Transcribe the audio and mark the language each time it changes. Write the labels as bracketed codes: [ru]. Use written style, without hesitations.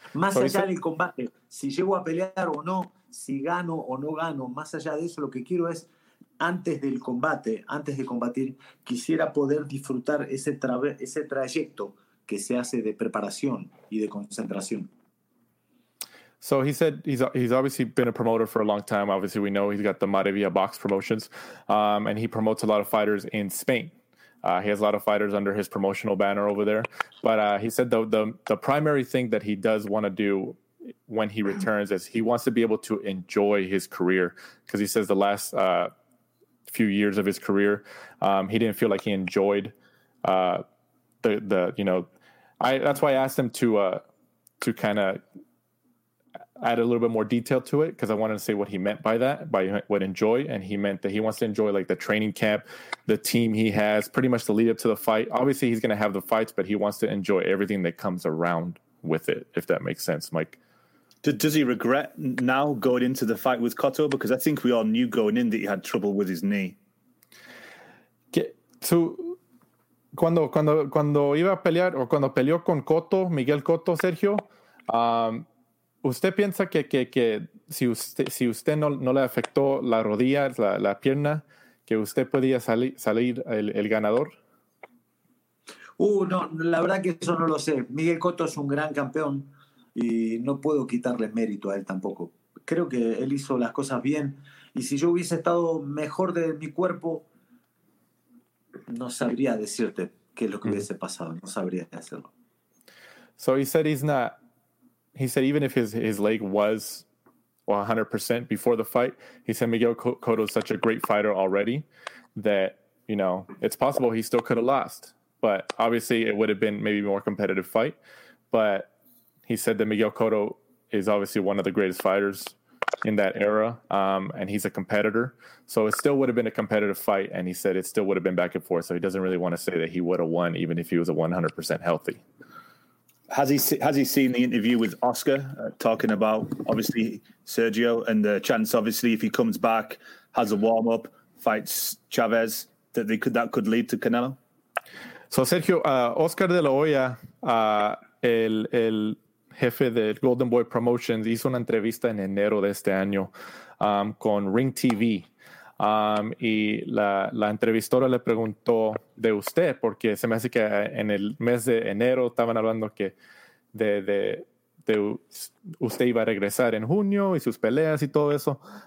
[es] Más allá del combate, si llego a pelear o no, si gano o no gano, más allá de eso, lo que quiero es, antes del combate, antes de combatir, quisiera poder disfrutar ese trayecto que se hace de preparación y de concentración. [en] So he said he's obviously been a promoter for a long time. Obviously, we know he's got the Maravilla Box Promotions, and he promotes a lot of fighters in Spain. He has a lot of fighters under his promotional banner over there. But he said the primary thing that he does want to do when he returns is he wants to be able to enjoy his career, because he says the last few years of his career, he didn't feel like he enjoyed that's why I asked him to kind of add a little bit more detail to it, because I wanted to say what he meant by that, by what enjoy, and he meant that he wants to enjoy like the training camp, the team he has, pretty much the lead up to the fight. Obviously, he's going to have the fights, but he wants to enjoy everything that comes around with it, if that makes sense, Mike. Does he regret now going into the fight with Cotto? Because I think we all knew going in that he had trouble with his knee. [es] So, cuando iba a pelear, o cuando peleó con Cotto, Miguel Cotto, Sergio, ¿usted piensa que si usted no le afectó la rodilla, la pierna, que usted podía salir el ganador? No, la verdad que eso no lo sé. Miguel Cotto es un gran campeón y no puedo quitarle mérito a él tampoco. Creo que él hizo las cosas bien y si yo hubiese estado mejor de mi cuerpo, no sabría decirte qué es lo que hubiese pasado. No sabría hacerlo. [en] So he said he's not. He said even if his leg was 100% before the fight, he said Miguel Cotto is such a great fighter already that, you know, it's possible he still could have lost. But obviously it would have been maybe a more competitive fight. But he said that Miguel Cotto is obviously one of the greatest fighters in that era, and he's a competitor. So it still would have been a competitive fight, and he said it still would have been back and forth. So he doesn't really want to say that he would have won even if he was 100% healthy. Has he seen the interview with Oscar talking about, obviously, Sergio and the chance, obviously, if he comes back, has a warm-up, fights Chavez, that could lead to Canelo? So, [es] Sergio, Oscar de la Hoya, el jefe de Golden Boy Promotions, hizo una entrevista en enero de este año con Ring TV. Y la entrevistadora le preguntó de usted, porque se me hace que en el mes de enero estaban hablando que de usted iba a regresar en junio y sus peleas y todo eso.